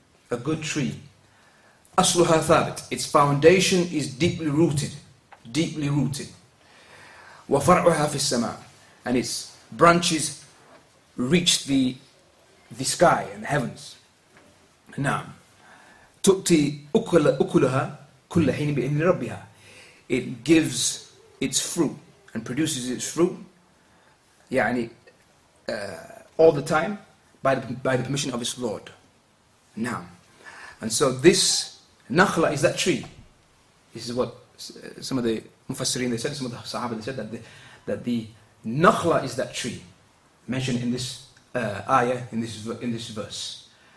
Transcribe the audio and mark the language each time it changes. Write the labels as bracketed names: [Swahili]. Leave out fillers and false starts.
[English] A good tree. [Arabic] أَصْلُهَا ثَابَتْ. [English] Its foundation is deeply rooted. Deeply rooted. [Arabic] وَفَرْعُهَا فِي السَّمَاءِ. [English] And its branches reach the sky and the heavens. [Arabic] نعم. تؤتي أكلها كل حين بإذن ربها. [English] It gives its fruit and produces its fruit, يعني all the time by the permission of its Lord. نعم. And so this نخلة is that tree. This is what some of the مفسرين they said, some of the Sahaba they said that the نخلة is that tree mentioned in this ayah, in this verse.